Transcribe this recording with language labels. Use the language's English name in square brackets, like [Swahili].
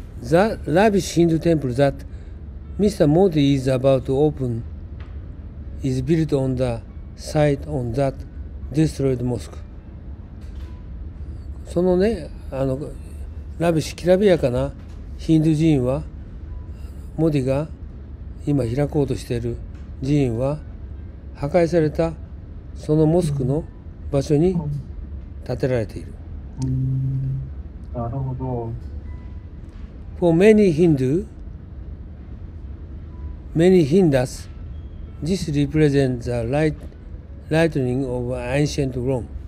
[English] That lavish Hindu temple that Mr. Modi is about to open is built on the site on that destroyed mosque. [Japanese] そのね、あのラビシ、きらびやかなヒンドゥー寺院は、モディが今開こうとしている寺院は、破壊されたそのモスクの場所に建てられている。なるほど。 [English] For many Hindu, many Hindus, this represents the lightning of ancient Rome.